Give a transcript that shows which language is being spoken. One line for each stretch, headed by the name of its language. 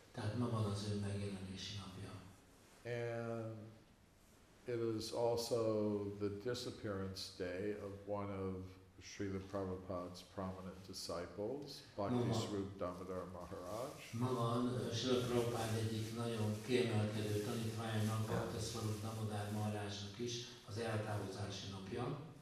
Hungarian: Tehát ma van az ő megjelenési napja.
English: And it is also the disappearance day of one of Srila Prabhupada's prominent disciples, Bhakti Swarup Damodara Maharaj.
Hungarian: Ma van Srila Prabhupada egyik nagyon kiemelkedő tanítványának, Bhakti Swarup Damodara Maharajnak is az eltávozási napja.